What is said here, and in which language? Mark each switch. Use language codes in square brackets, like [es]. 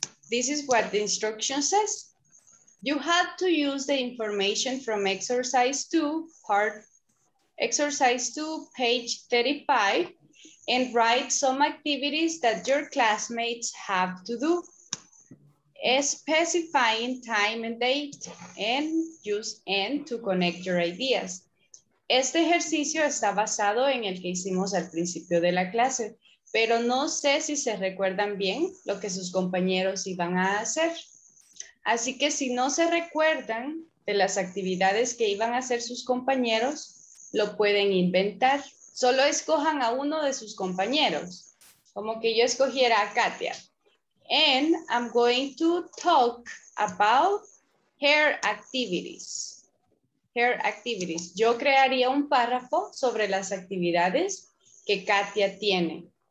[en] This is what the instruction says. You have to use the information from exercise two, page 35, and write some activities that your classmates have to do. Specifying time and date, and use and to connect your ideas. [es] Este ejercicio está basado en el que hicimos al principio de la clase, pero no sé si se recuerdan bien lo que sus compañeros iban a hacer. Así que si no se recuerdan de las actividades que iban a hacer sus compañeros, lo pueden inventar. Solo escojan a uno de sus compañeros, como que yo escogiera a Katia. [en] And I'm going to talk about her activities. Her activities. [es] Yo crearía un párrafo sobre las actividades que Katia tiene.